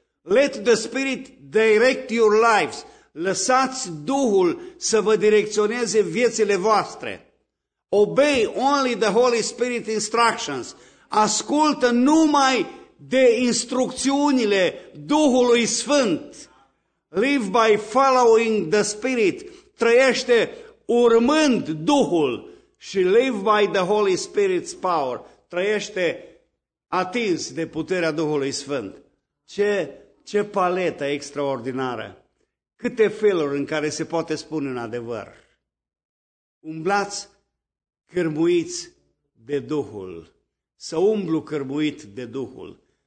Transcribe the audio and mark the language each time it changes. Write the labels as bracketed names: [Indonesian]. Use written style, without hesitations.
[English] Let the Spirit direct your lives. [Romanian] Lăsați Duhul să vă direcționeze viețile voastre. [English] Obey only the Holy Spirit instructions. [Romanian] Ascultă numai de instrucțiunile Duhului Sfânt. [English] Live by following the Spirit. [Romanian] Trăiește urmând Duhul. [English] Și live by the Holy Spirit's power. [Romanian] Trăiește atins de puterea Duhului Sfânt. Ce paletă extraordinară. Câte feluri în care se poate spune un adevăr. Umblați cârmuiți de Duhul, să umblu cârmuit de Duhul.